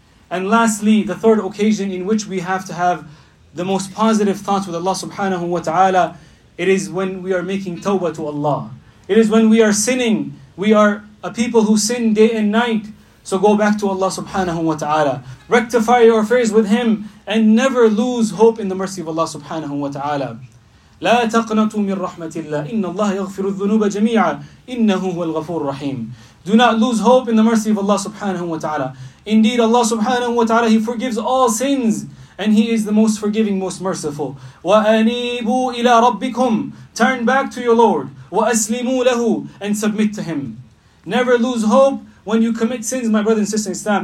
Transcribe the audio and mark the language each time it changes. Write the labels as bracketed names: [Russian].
[English] And lastly, the third occasion in which we have to have the most positive thoughts with Allah subhanahu wa ta'ala, it is when we are making tawbah to Allah. It is when we are sinning. We are a people who sin day and night. So go back to Allah subhanahu wa ta'ala. Rectify your affairs with Him and never lose hope in the mercy of Allah subhanahu wa ta'ala. [Arabic] لا تقنطوا من رحمة الله إن الله يغفر الذنوب جميعا إنه هو الغفور الرحيم. [English] Do not lose hope in the mercy of Allah subhanahu wa ta'ala. Indeed, Allah subhanahu wa ta'ala, He forgives all sins and He is the most forgiving, most merciful. [Arabic] وَأَنِيبُوا إِلَىٰ رَبِّكُمْ. [English] Turn back to your Lord. [Arabic] وَأَسْلِمُوا لَهُ. [English] And submit to Him. Never lose hope when you commit sins, my brothers and sisters in Islam.